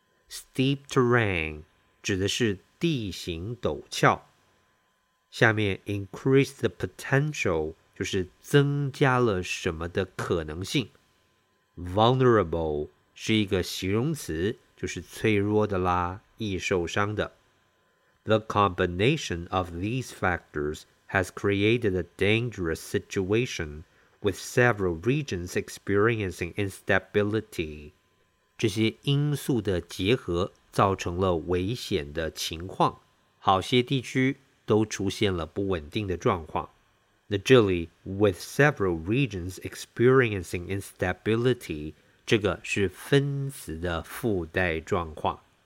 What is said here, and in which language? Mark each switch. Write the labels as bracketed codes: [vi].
[en] Steep terrain 指的是地形陡峭。 [zh] 下面 increase the potential 就是增加了什么的可能性。 Vulnerable 是一个形容词。就是脆弱的啦，易受伤的。 [en] The combination of these factors has created a dangerous situation with several regions experiencing instability. [zh] 这些因素的结合造成了危险的情况。好些地区都出现了不稳定的状况。那这里 [en] with several regions experiencing instability， [zh] 这个是分词的附带状况。